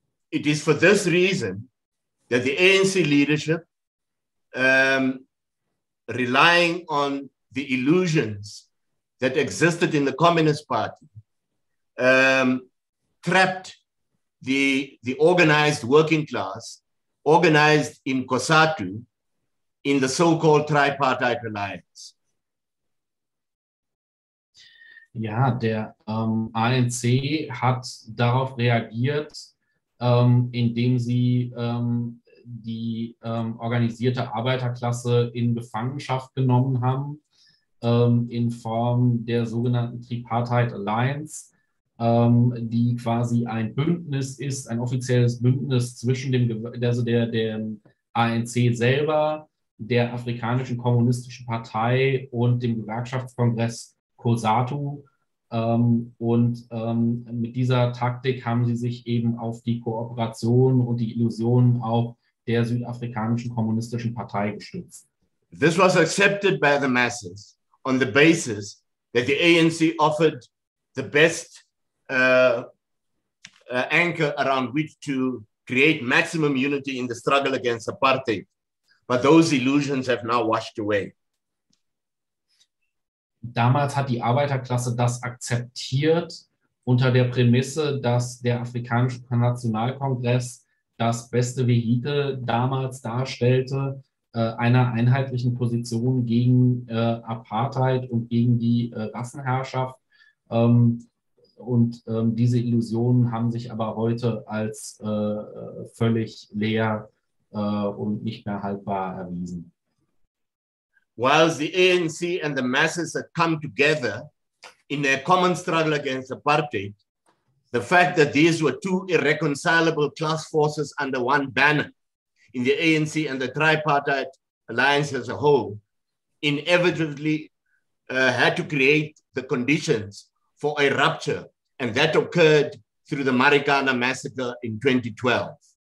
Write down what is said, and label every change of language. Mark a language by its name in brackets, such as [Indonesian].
[English] It is for this reason that the ANC leadership, relying on the illusions that existed in the Communist Party, trapped the organized working class, organized in COSATU, in the so-called tripartite alliance. [German] Ja, der ANC hat darauf reagiert, indem sie die organisierte Arbeiterklasse in Gefangenschaft genommen haben, in Form der sogenannten Tripartite Alliance, die quasi ein Bündnis ist, ein offizielles Bündnis zwischen dem, also der ANC selber, der Afrikanischen Kommunistischen Partei und dem Gewerkschaftskongress COSATU. Mit dieser Taktik haben sie sich eben auf die Kooperation und die Illusionen auch der Südafrikanischen Kommunistischen Partei gestützt. [English] This was accepted by the masses on the basis that the ANC offered the best anchor around which to create maximum unity in the struggle against apartheid. But those illusions have now washed away. [German] Damals hat die Arbeiterklasse das akzeptiert unter der Prämisse, dass der Afrikanische Nationalkongress das beste Vehikel damals darstellte, einer einheitlichen Position gegen Apartheid und gegen die Rassenherrschaft. Diese Illusionen haben sich aber heute als völlig leer und nicht mehr haltbar erwiesen. [English] While the ANC and the masses had come together in their common struggle against apartheid, the fact that these were two irreconcilable class forces under one banner in the ANC and the tripartite alliance as a whole inevitably had to create the conditions for a rupture, and that occurred through the Marikana massacre in 2012.